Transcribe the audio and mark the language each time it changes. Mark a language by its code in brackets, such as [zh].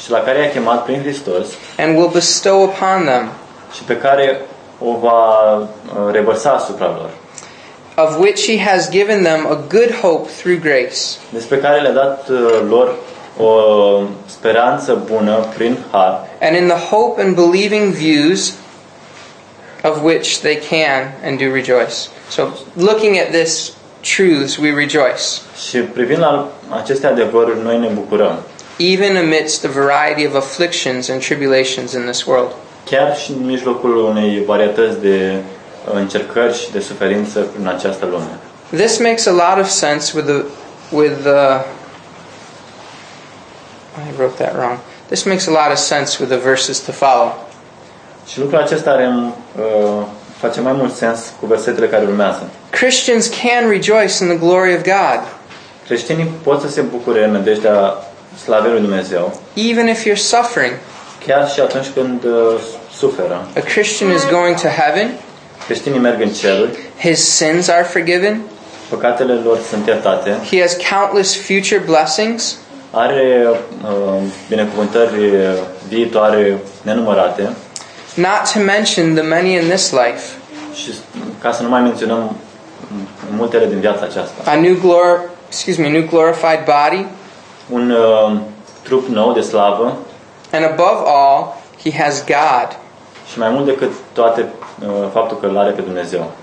[ro] și la care i-a chemat prin Hristos, [en] and will bestow upon them, [ro] și pe care o va revărsa asupra lor. [en] Of which he has given them a good hope through grace. [ro] Despre care le-a dat lor o speranță bună prin har. [en] And in the hope and believing views of which they can and do rejoice. So looking at this truths we rejoice. [ro] Și privind la aceste adevăruri noi ne bucurăm. [en] Even amidst the variety of afflictions and tribulations in this world. [ro] Chiar și în mijlocul unei varietăți de încercări și de suferință în această lume. [en] This makes a lot of sense This makes a lot of sense with the verses to follow. [ro] Și lucrul acesta face mai mult sens cu versetele care urmează. [en] Christians can rejoice in the glory of God. [ro] Creștinii pot să se bucure în nădejdea slavei lui Dumnezeu. [en] Even if you're suffering. [ro] Chiar și atunci când suferă. [en] A Christian is going to heaven. [ro] Creștinii merg în ceruri. [en] His sins are forgiven. [ro] Păcatele lor sunt iertate. [en] He has countless future blessings. [ro] Are binecuvântări viitoare nenumărate. [en] Not to mention the many in this life. [ro] Și ca să nu mai menționăm multele din viața aceasta. [en] A new glorified body. [ro] Un trup nou de slavă. [en] And above all, he has God. [ro] Și mai mult decât toate, faptul că îl are pe Dumnezeu.